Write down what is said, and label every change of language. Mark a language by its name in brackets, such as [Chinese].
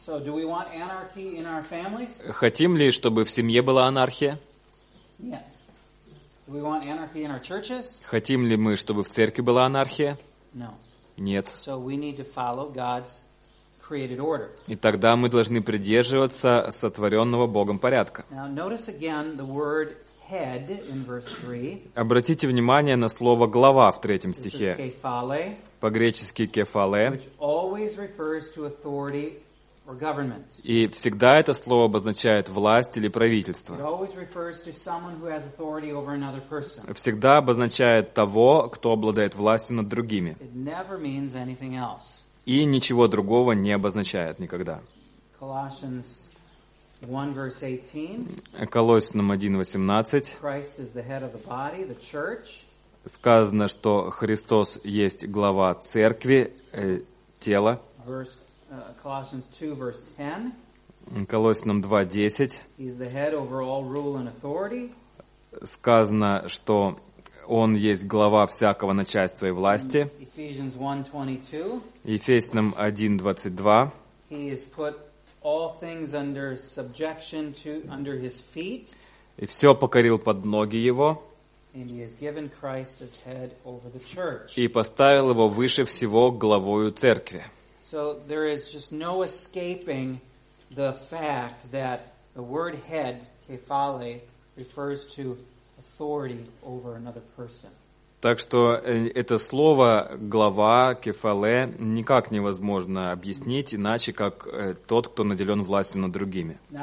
[English] So do we want anarchy in our families? [Russian] Хотим ли, чтобы в семье была анархия? [English] Yes. Do we want anarchy in our churches? [Russian] Хотим ли мы, чтобы в церкви была анархия? [English] No. [Russian] Нет. [English] So we need to follow God's created order. [Russian] И тогда мы должны придерживаться сотворенного Богом порядка. [English] Now notice again the word head in verse 3. [Russian] Обратите внимание на слово «глава» в третьем стихе. По-гречески «кефале». [English] Which always refers to authority or government. [Russian] И всегда это слово обозначает власть или правительство. [English] It always refers to someone who has authority over another person. [Russian] Всегда обозначает того, кто обладает властью над другими. [English] It never means anything else. [Russian] И ничего другого не обозначает никогда. [English] Colossians 1 verse 18. [Russian] Колоссянам 1:18. [English] Christ is the head of the body, the church. [Russian] Сказано, что Христос есть глава церкви, тела. [English] Colossians 2 verse 10. [Russian] Колоссянам 2:10. [English] He is the head over all rule and authority. [Russian] Сказано, что он есть глава всякого начальства и власти. [English] Ephesians 1:22. [Russian] Ефесянам 1:22. [English] He is put all things under subjection to under his feet. [Russian] И все покорил под ноги его. [English] And he has given Christ as head over the church. [Russian] И поставил его выше всего главою церкви. [English] So there is just no escaping the fact that the word head, kephale, refers to authority over another person. [Russian] Так что это слово «глава», «кефале» никак невозможно объяснить иначе, как тот, кто наделен властью над другими.